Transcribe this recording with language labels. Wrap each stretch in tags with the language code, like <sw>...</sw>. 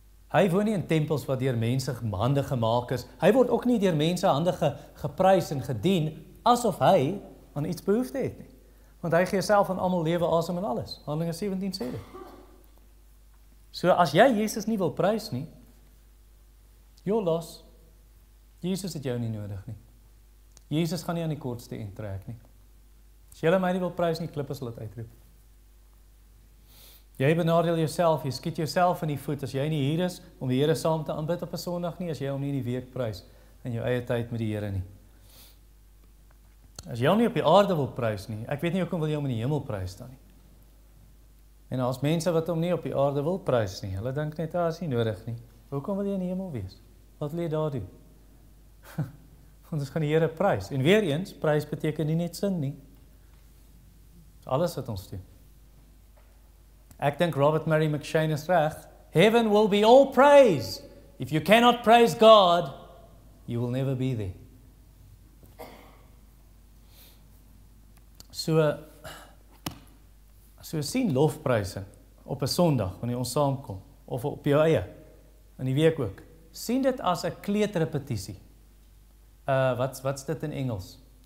<af>Hy woon nie in tempels wat dier mense hande gemaakt is, hy word ook nie dier mense hande geprys en gedien, asof hy aan iets behoefte het nie. Want hy gee self aan allemaal lewe, asem en alles. Handelinge 17 sê dit. So as jy Jesus nie wil prys nie, joh los, Jesus het jou nie nodig nie. Jesus gaan nie aan die kortste eind trek nie. As jylle my nie wil prys nie, klippe sal het uitroep. Jy benadeel jouself, jy skiet jouself in die voet, as jy nie hier is, om die Here saam te aanbid op 'n Sondag nie, as jy hom nie in die week prys, in jou eie tyd met die Here nie. As jy hom nie op die aarde wil prys nie, ek weet nie hoekom wil jy hom in die hemel prys dan nie. En as mense wat hom nie op die aarde wil prys nie, hulle dink net, as nie nodig nie, hoekom wil jy in die hemel wees? Wat wil jy daar doen? Want ons gaan die Here prys. En weer eens, prys beteken nie net sing nie. Alles wat ons doen. Ek dink Robert Murray McShane is reg.</af> <en>Heaven will be all praise. If you cannot praise God, you will never be there.</en> <af>So sien lofprysing op 'n Sondag, wanneer ons saamkom, of op jou eie, in die week ook. Sien dit as 'n kleedrepetisie. Wat's dit in Engels?</af>